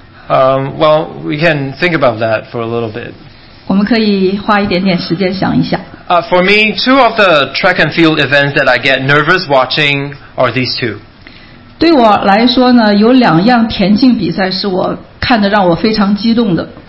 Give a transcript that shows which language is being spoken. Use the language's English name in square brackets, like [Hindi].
[English] Well, we can think about that for a little bit. [Chinese] 我们可以花一点点时间想一想。 [English] For me, two of the track and field events that I get nervous watching are these two. [Chinese] 对我来说呢，有两样田径比赛是我看得让我非常激动的。